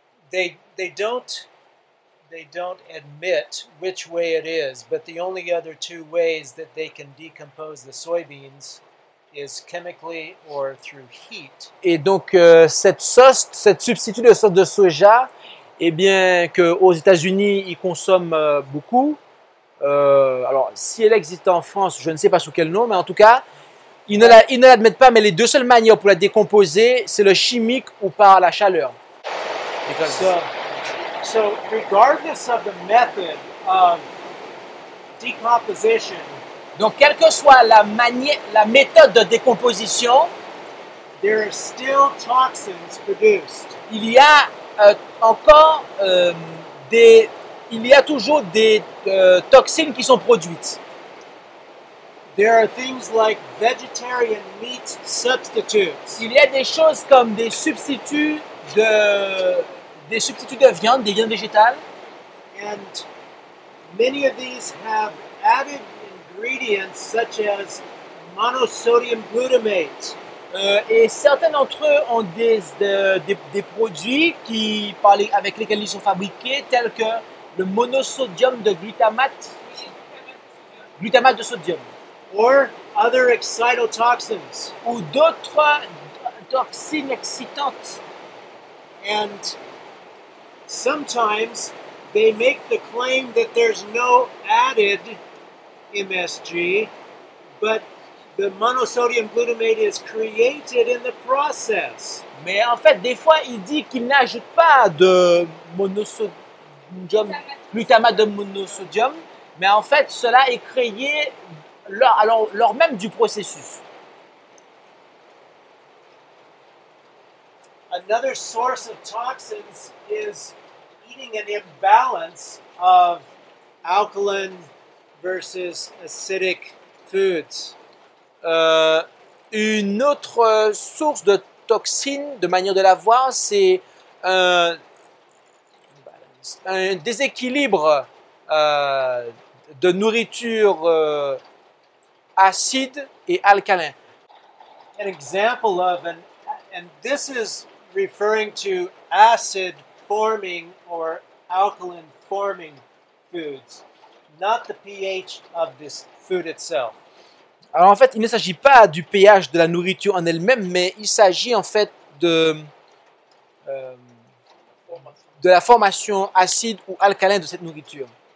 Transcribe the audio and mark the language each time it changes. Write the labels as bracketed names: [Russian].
[English] They don't admit which way it is, but the only other two ways that they can decompose the soybeans is chemically or through heat. [French] Et donc cette substitut de sauce de soja, eh bien que aux États-Unis ils consomment beaucoup. Alors si elle existe en France, je ne sais pas sous quel nom, mais en tout cas. Ils ne l'admettent pas, mais les deux seules manières pour la décomposer, c'est le chimique ou par la chaleur. [English] So, regardless of the method of decomposition, [French] donc, quelle que soit la méthode de décomposition, [English] there are still toxins produced. [French] Il y a toujours des toxines qui sont produites. [English] There are things like vegetarian meat substitutes. [French] Il y a des choses comme des substituts de viande, des viandes végétales. [English] And many of these have added ingredients such as monosodium glutamate. [French] Et certains d'entre eux ont des produits qui parlent avec lesquels ils sont fabriqués, tels que le monosodium de glutamate de sodium. [English] Or other excitotoxins. [French] Ou d'autres toxines excitantes. [English] And sometimes they make the claim that there's no added MSG, but the monosodium glutamate is created in the process. [French] Mais en fait, des fois, il dit qu'il n'ajoute pas de monosodium, glutamate de monosodium, mais en fait, cela est créé lors même du processus. [English] Another source of toxins is eating an imbalance of alkaline versus acidic foods. [French] Une autre source de toxines, de manière de la voir, c'est un déséquilibre de nourriture acide et alcalin. [English] An example of and this is referring to acid forming or alkaline forming foods, not the pH of this food itself. [French] Alors en fait, il ne s'agit pas du pH de la nourriture en elle-même, mais il s'agit en fait de la formation acide ou alcalin de cette nourriture.